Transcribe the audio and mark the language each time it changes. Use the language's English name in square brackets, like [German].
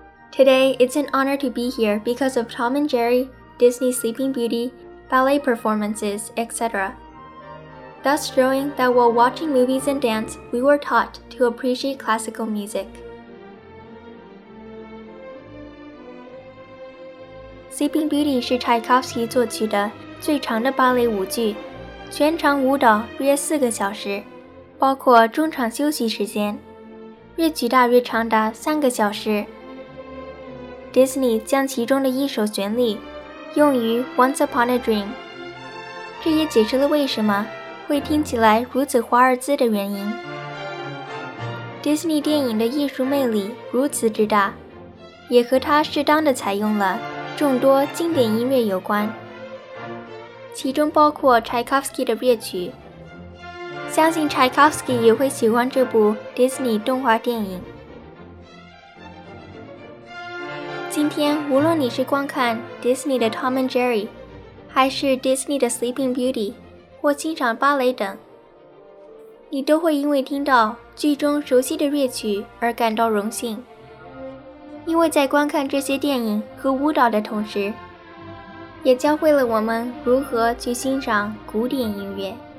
[English] Today, it's an honor to be here because of Tom and Jerry, Disney's Sleeping Beauty, ballet performances, etc. Thus showing that while watching movies and dance, we were taught to appreciate classical music. [Chinese] Sleeping Beauty 是 Tchaikovsky 作曲的最长的芭蕾舞剧，全长舞蹈约四个小时，包括中场休息时间，日剧大约长达三个小时。 Disney 将其中的一首旋律用于 Once Upon a Dream， 这也解释了为什么会听起来如此华尔兹的原因。 Disney 电影的艺术魅力如此之大，也和它适当的采用了众多经典音乐有关，其中包括 Tchaikovsky 的乐曲。相信 Tchaikovsky 也会喜欢这部 Disney 动画电影。今天，无论你是观看 Disney 的 Tom and Jerry， 还是 Disney 的 Sleeping Beauty。或欣赏芭蕾等，你都会因为听到剧中熟悉的乐曲而感到荣幸，因为在观看这些电影和舞蹈的同时，也教会了我们如何去欣赏古典音乐。